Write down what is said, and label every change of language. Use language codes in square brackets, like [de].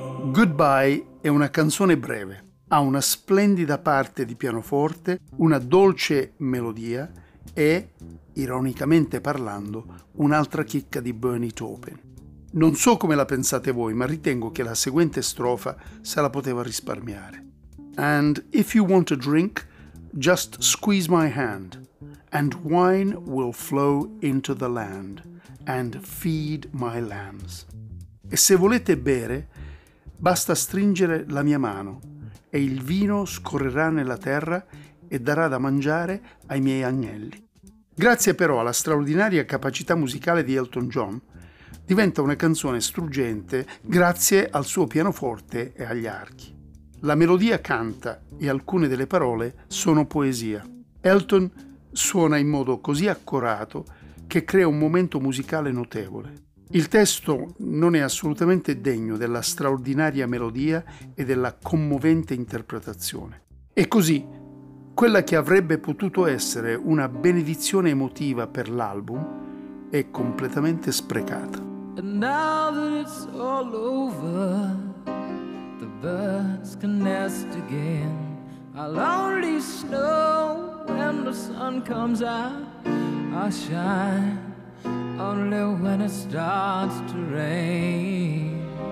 [it] Goodbye è una canzone breve, ha una splendida parte di pianoforte, una dolce melodia e, ironicamente parlando, un'altra chicca di Bernie Taupin. Non so come la pensate voi, ma ritengo che la seguente strofa se la poteva risparmiare. [en] And if you want a drink, just squeeze my hand, and wine will flow into the land, and feed my lambs. [it] E se volete bere, basta stringere la mia mano e il vino scorrerà nella terra e darà da mangiare ai miei agnelli. Grazie però alla straordinaria capacità musicale di Elton John, diventa una canzone struggente grazie al suo pianoforte e agli archi. La melodia canta e alcune delle parole sono poesia. Elton suona in modo così accorato che crea un momento musicale notevole. Il testo non è assolutamente degno della straordinaria melodia e della commovente interpretazione. E così, quella che avrebbe potuto essere una benedizione emotiva per l'album è completamente sprecata. [en] And now that it's all over, the birds can nest again. I'll only snow when the sun comes out, I'll shine. Only when it starts to rain.